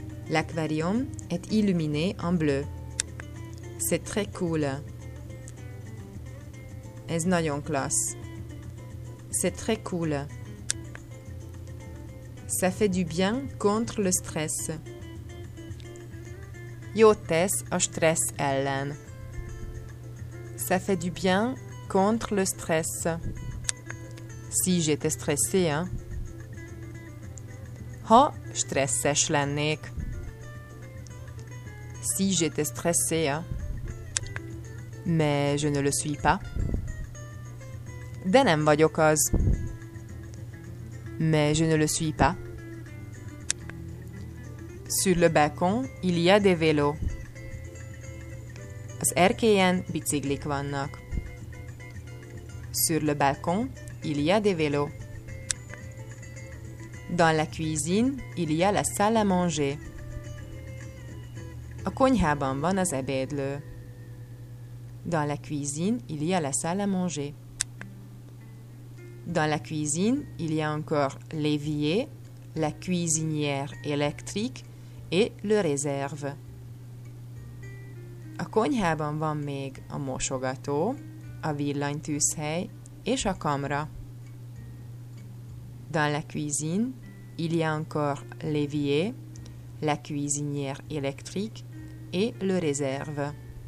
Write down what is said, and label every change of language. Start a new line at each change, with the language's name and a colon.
French: L'aquarium est illuminé en bleu. C'est très cool.
Hungarian: Ez nagyon klassz.
French: C'est très cool. Ça fait du bien contre le stress.
Hungarian: Jót tesz a stressz ellen.
French: Ça fait du bien contre le stress. Si j'étais stressé, hein?
Hungarian: Ha stresszes lennék.
French: Si j'étais stressé, hein? Mais je ne le suis pas.
Hungarian: De nem vagyok az.
French: Mais je ne le suis pas. Sur le balcon, il y a des vélos.
Hungarian: Az erkélyen biciklik vannak.
French: Sur le balcon, il y a des vélos. Dans la cuisine, il y a la salle à manger.
Hungarian: A konyhában van az ebédlő.
French: Dans la cuisine, il y a la salle à manger. Dans la cuisine, il y a encore l'évier, la cuisinière électrique et le réserve.
Hungarian: A konyhában van még a mosogató, a villanytűzhely és a kamra.
French: Dans la cuisine, il y a encore l'évier, la cuisinière électrique et le réserve.